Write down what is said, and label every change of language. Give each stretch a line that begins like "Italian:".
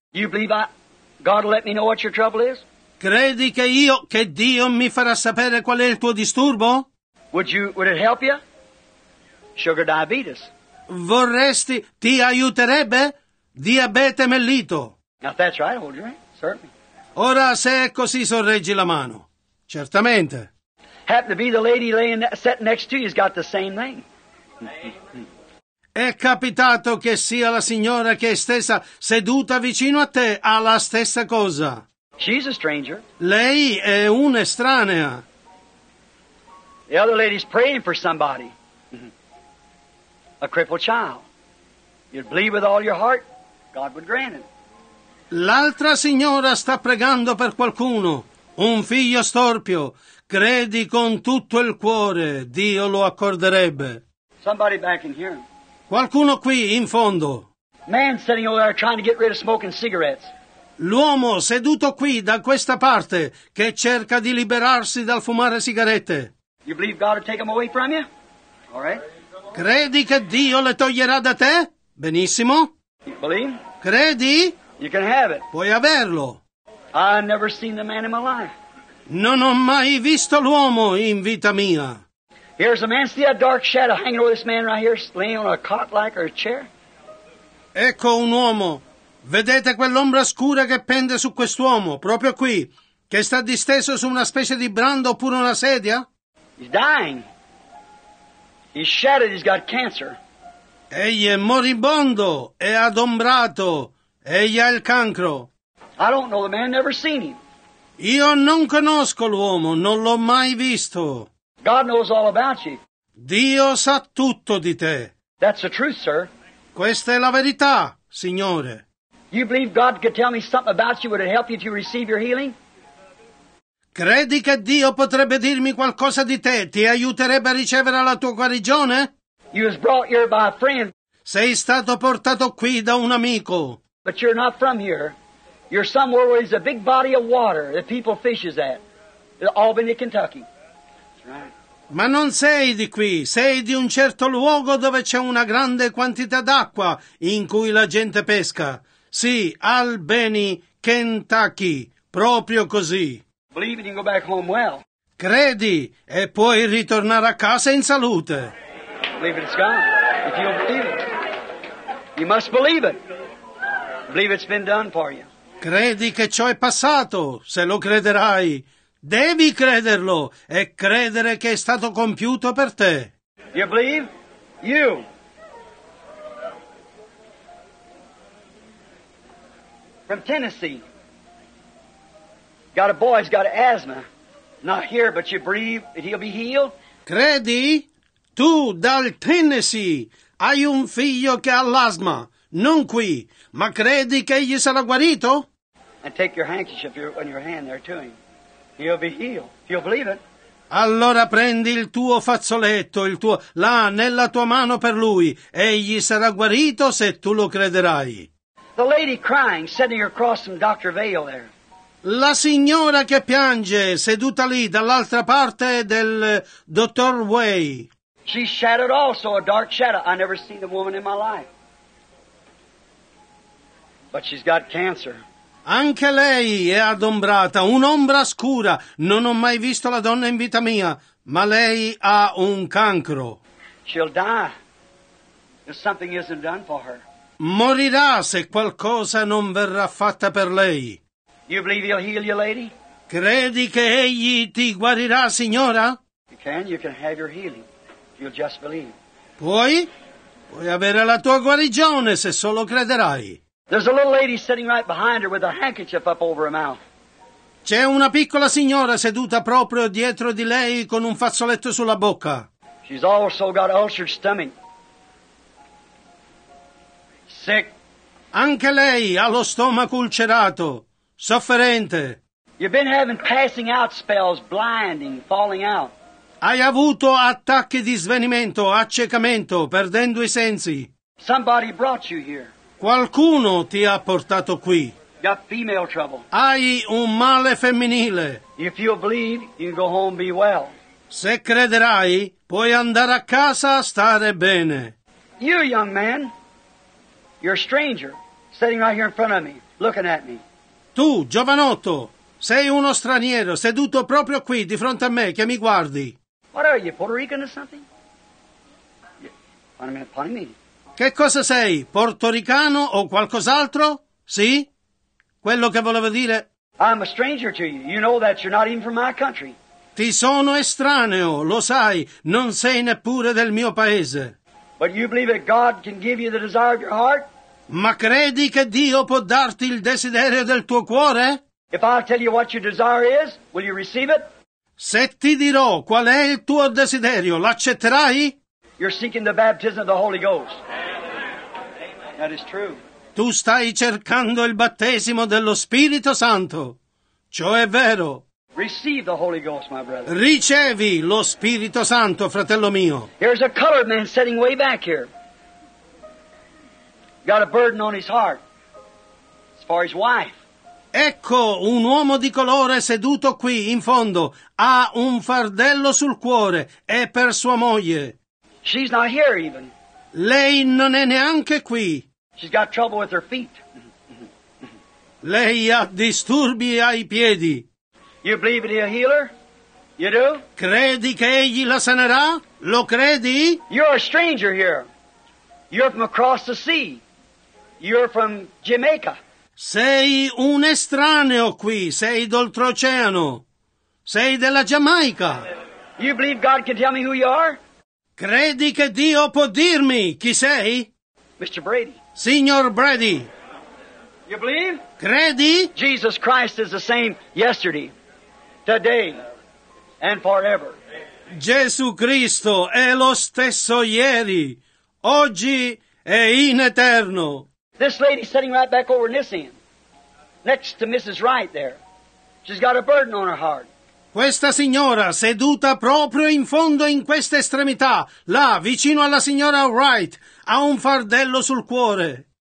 English: You believe God will let me know what your trouble is?
Italian: Credi che io, che Dio mi farà sapere qual è il tuo disturbo?
English: Would it help you? Sugar diabetes.
Italian: Vorresti, ti aiuterebbe? Diabete mellito.
English: Now if that's right, hold your hand, certainly.
Italian: Ora se è così, sorreggi la mano. Certamente.
English: Happen to be the lady laying sitting next to you has got the same thing.
Italian: È capitato che sia la signora che è stessa seduta vicino a te ha la stessa cosa.
English: She's a stranger.
Italian: Lei è un'estranea.
English: The other lady's praying for somebody. A crippled child. You'd believe with all your heart, God would grant it.
Italian: L'altra signora sta pregando per qualcuno. Un figlio storpio. Credi con tutto il cuore, Dio lo accorderebbe.
English: Somebody back in here.
Italian: Qualcuno qui in fondo.
English: Man sitting over there trying to get rid of smoking cigarettes.
Italian: L'uomo seduto qui da questa parte che cerca di liberarsi dal fumare sigarette.
English: You believe God will take them away from you? All right.
Italian: Credi che Dio le toglierà da te? Benissimo.
English: You believe?
Italian: Credi?
English: You can have it.
Italian: Puoi averlo.
English: I've never seen the man in my life.
Italian: Non ho mai visto l'uomo in vita mia.
English: Here's a man. See that dark shadow hanging over this man right here, laying on a cot like or a chair.
Italian: Ecco un uomo. Vedete quell'ombra scura che pende su quest'uomo, proprio qui, che sta disteso su una specie di brando oppure una sedia?
English: He's dying. He's shattered. He's got cancer.
Italian: Egli è moribondo. È adombrato. Egli ha il cancro.
English: I don't know the man. Never seen him.
Italian: Io non conosco l'uomo. Non l'ho mai visto.
English: God knows all about you.
Italian: Dio sa tutto di te.
English: That's the truth, sir.
Italian: Questa è la verità, signore.
English: You believe God could tell me something about you? Would it help you to receive your healing?
Italian: Credi che Dio potrebbe dirmi qualcosa di te? Ti aiuterebbe a ricevere la tua guarigione?
English: You was brought here by a friend.
Italian: Sei stato portato qui da un amico.
English: But you're not from here. You're somewhere where there's a big body of water that people fishes at. Albany, Kentucky.
Italian: Ma non sei di qui, sei di un certo luogo dove c'è una grande quantità d'acqua in cui la gente pesca. Sì, Albany, Kentucky, proprio così.
English: Believe it and go back home well.
Italian: Credi e puoi ritornare a casa in salute.
English: Believe it, it's gone. If you don't believe it, you must believe it. Believe it's been done for you.
Italian: Credi che ciò è passato, se lo crederai. Devi crederlo e credere che è stato compiuto per te.
English: You believe? You. From Tennessee. Got a boy, he's got asthma. Not here, but you believe that he'll be healed?
Italian: Credi? Tu, dal Tennessee, hai un figlio che ha l'asma. Non qui, ma credi che egli sarà guarito?
English: and take your handkerchief on your hand there to him. He'll be healed. You'll believe it.
Italian: Allora prendi il tuo fazzoletto, il tuo là nella tua mano per lui. Egli sarà guarito se tu lo crederai.
English: The lady crying, sitting across from Dr. Vale there.
Italian: La signora che piange, seduta lì dall'altra parte del dottor Way.
English: She shattered also a dark shadow. I never seen a woman in my life. But she's got cancer.
Italian: Anche lei è adombrata, un'ombra scura. Non ho mai visto la donna in vita mia, ma lei ha un cancro.
English: She'll die if something isn't done for her.
Italian: Morirà se qualcosa non verrà fatta per lei.
English: You believe he'll heal you, lady?
Italian: Credi che egli ti guarirà, signora?
English: You can have your healing if you'll just believe.
Italian: Puoi avere la tua guarigione se solo crederai.
English: There's a little lady sitting right behind her with a handkerchief up over her mouth.
Italian: C'è una piccola signora seduta proprio dietro di lei con un fazzoletto sulla bocca.
English: She's also got ulcered stomach. Sick.
Italian: Anche lei ha lo stomaco ulcerato, sofferente.
English: You've been having passing out spells, blinding, falling out.
Italian: Hai avuto attacchi di svenimento, accecamento, perdendo i sensi.
English: Somebody brought you here.
Italian: Qualcuno ti ha portato qui.
English: Got female trouble.
Italian: Hai un male femminile.
English: If you believe, you can go home be well.
Italian: Se crederai, puoi andare a casa a stare bene.
English: You young man, you're a stranger, sitting right here in front of me, looking at me.
Italian: Tu, giovanotto, sei uno straniero seduto proprio qui di fronte a me che mi guardi.
English: What are you, Puerto Rican or something? Pardon me.
Italian: Che cosa sei, portoricano o qualcos'altro? Sì? Quello che volevo dire.
English: I'm a stranger to you. You know that you're not even from my country.
Italian: Ti sono estraneo, lo sai, non sei neppure del mio paese.
English: But you believe that God can give you the desire of your heart?
Italian: Ma credi che Dio può darti il desiderio del tuo cuore?
English: If I tell you what your desire is, will you receive it?
Italian: Se ti dirò qual è il tuo desiderio, l'accetterai?
English: You're seeking the baptism of the Holy Ghost. That is true.
Italian: Tu stai cercando il battesimo dello Spirito Santo. Ciò è vero.
English: Receive the Holy Ghost, my brother.
Italian: Ricevi lo Spirito Santo, fratello mio.
English: There's a colored man sitting way back here. Got a burden on his heart. As far as his wife.
Italian: Ecco un uomo di colore seduto qui in fondo. Ha un fardello sul cuore. È per sua moglie.
English: She's not here even.
Italian: Lei non è neanche qui.
English: She's got trouble with her feet.
Italian: Lei ha disturbi ai piedi.
English: You believe he'll heal her? You do?
Italian: Credi che egli la sanerà? Lo credi?
English: You're a stranger here. You're from across the sea. You're from Jamaica.
Italian: Sei un estraneo qui. Sei d'oltreoceano. Sei della Giamaica.
English: You believe God can tell me who you are?
Italian: Credi che Dio può dirmi chi sei?
English: Mr. Brady.
Italian: Signor Brady.
English: You believe?
Italian: Credi?
English: Jesus Christ is the same yesterday, today, and forever.
Italian: Gesù Cristo è lo stesso ieri, oggi e in eterno.
English: This lady sitting right back over in this end, next to Mrs. Wright there, she's got a burden on her heart.
Italian: Questa signora, seduta proprio in fondo in questa estremità, là, vicino alla signora Wright, ha un fardello sul cuore.